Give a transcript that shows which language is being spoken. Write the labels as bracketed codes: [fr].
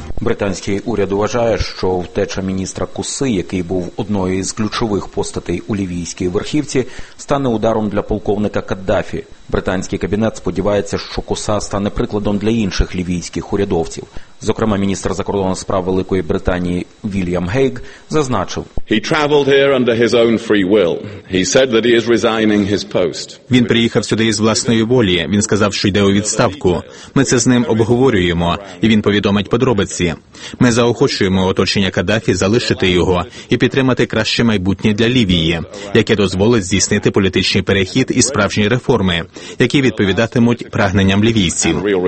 [uk] Британський уряд вважає, що втеча міністра Куси, який був одною із ключових постатей у лівійській верхівці, стане ударом для полковника Каддафі. Британський кабінет сподівається, що Куса стане прикладом для інших лівійських урядовців. Зокрема, міністр закордонних справ Великої Британії Вільям Гейг зазначив: [en] He traveled here under his own free will. He said that he is resigning his post. [uk] Він приїхав сюди із власної волі. Він сказав, що йде у відставку. Ми це з ним обговорюємо, і він повідомить подробиці. Ми заохочуємо оточення Каддафі залишити його і підтримати краще майбутнє для Лівії, яке дозволить здійснити політичний перехід і справжні реформи, які відповідатимуть прагненням лівійців.